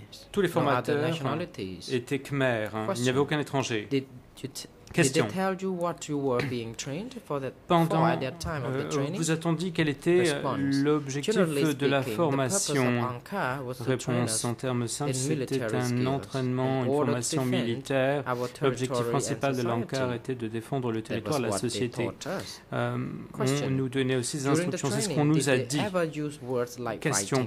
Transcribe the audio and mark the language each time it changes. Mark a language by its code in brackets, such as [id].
[fr] Tous les formateurs étaient Khmer, il n'y avait aucun étranger. Question. [en] Did they tell you what you were being trained for that [fr] Pendant, [en] for at that time of the training? [fr] Vous a-t-on dit quel était l'objectif de la formation? Réponse en termes simples, c'était un entraînement, une formation militaire. L'objectif principal de Lankar était de défendre le territoire, la société. On nous donnait aussi des instructions, c'est ce qu'on nous a dit. Question.